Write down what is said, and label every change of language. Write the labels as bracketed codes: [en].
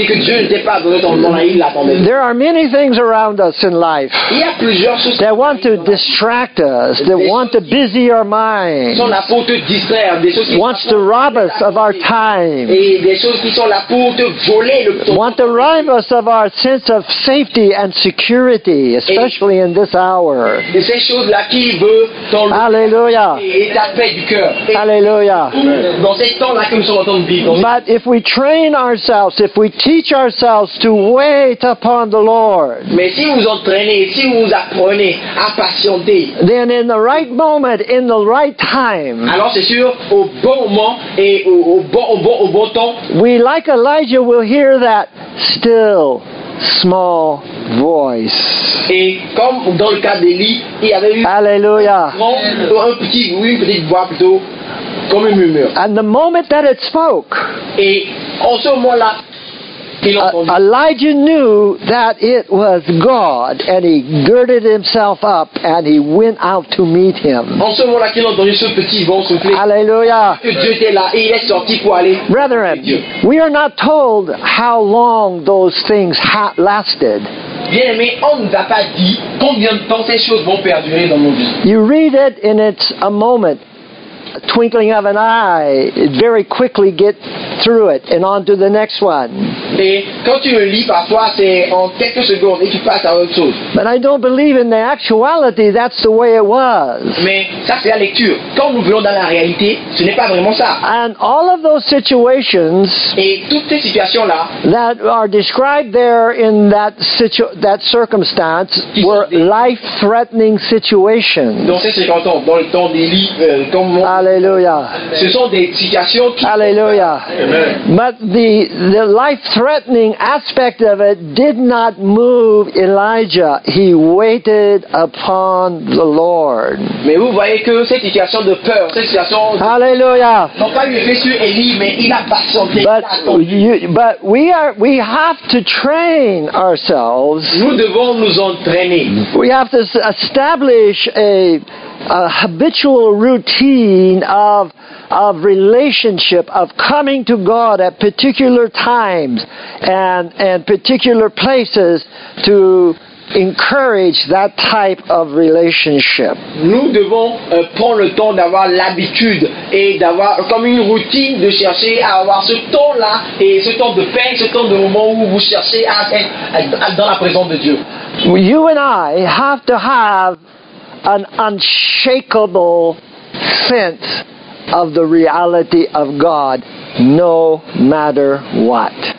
[en] There are many things around us in life that want to distract us, that want to busy our mind, wants to rob us of our time, want to rob us of our sense of safety and security, especially in this hour. Hallelujah. Hallelujah. But if we train ourselves, if we teach ourselves to wait upon the Lord, [fr] mais si vous entraînez, si vous apprenez à patienter, [en] then in the right moment, in the right time, [fr] alors c'est sûr, au bon moment et au bon temps, [en] we like Elijah will hear that still small voice. [fr] Et comme dans le cas d'Élie, il y avait eu une petite voix plutôt. [en] And the moment that it spoke, [fr] et en ce moment-là, [en] Elijah knew that it was God, and he girded himself up and he went out to meet him. Hallelujah. Brethren, we are not told how long those things lasted. [fr] Bien-aimé, on ne nous a pas dit combien de temps ces choses vont perdurer dans nos vies. [en] You read it and it's a moment, a twinkling of an eye, very quickly get through it and on to the next one. [fr] Et quand tu le lis parfois, c'est en quelques secondes et tu passes à autre chose. [en] But I don't believe in the actuality, that's the way it was. [fr] Mais ça c'est la lecture. Quand nous voulons dans la réalité, ce n'est pas vraiment ça. [en] And all of those situations, [fr] et toutes ces situations-là, [en] that are described there in that, that circumstance, were life-threatening situations. [fr] Dans ces circonstances, dans le temps des livres, comme mon... Hallelujah. Ce sont des situations qui... Hallelujah. [en] But the life-threatening aspect of it did not move Elijah. He waited upon the Lord. [fr] Mais vous voyez que cette situation de peur, cette situation de... Hallelujah. Non pas lui fait sur Élie, mais il a patienté. [en] But we have to train ourselves. [fr] Nous devons nous entraîner. [en] We have to establish a habitual routine of relationship, of coming to God at particular times and particular places to encourage that type of relationship. [fr] Nous devons prendre le temps d'avoir l'habitude et d'avoir comme une routine de chercher à avoir ce temps-là et ce temps de paix, ce temps de moment où vous cherchez à être dans la présence de Dieu. [en] You and I have to have an unshakable sense of the reality of God, no matter what.